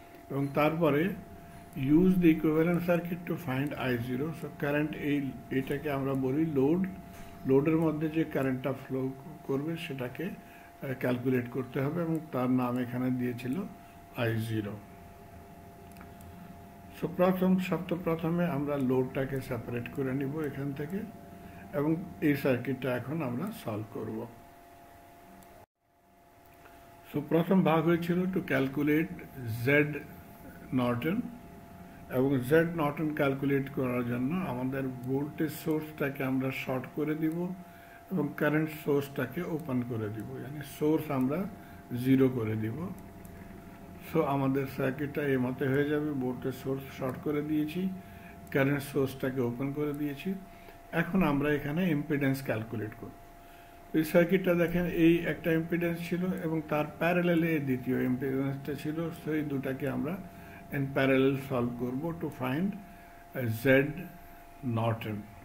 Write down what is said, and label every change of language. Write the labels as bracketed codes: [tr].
[bn] এবং তারপরে [en] use the equivalent circuit to find I0. [bn] So, current এটাকে আমরা বলি load. লোডের মধ্যে যে কারেন্টটা ফ্লো করবে সেটাকে ক্যালকুলেট করতে হবে এবং তার নাম এখানে দিয়েছিল I0. সো প্রথম সর্বপ্রথমে আমরা লোডটাকে সেপারেট করে নিব এখান থেকে এবং এই সার্কিটটা এখন আমরা সলভ করব. সো প্রথম ভাগ হয়েছিল টু ক্যালকুলেট Z Norton. এবং Z Norton ক্যালকুলেট করার জন্য আমাদের ভোল্টেজ সোর্সটাকে আমরা শর্ট করে দিব এবং কারেন্ট সোর্সটাকে ওপেন করে দিব, মানে সোর্স আমরা জিরো করে দিব. সো আমাদের সার্কিটটা এই মতে হয়ে যাবে, ভোল্টেজ সোর্স শর্ট করে দিয়েছি, কারেন্ট সোর্সটাকে ওপেন করে দিয়েছি. এখন আমরা এখানে ইম্পিডেন্স ক্যালকুলেট করব. এই সার্কিটটা দেখেন, এই একটা ইম্পিডেন্স ছিল এবং তার প্যারালেলে দ্বিতীয় ইম্পিডেন্সটা ছিল. সো এই দুটাকে আমরা [en] in parallel solve [bn] korbo [en] to find Z Norton.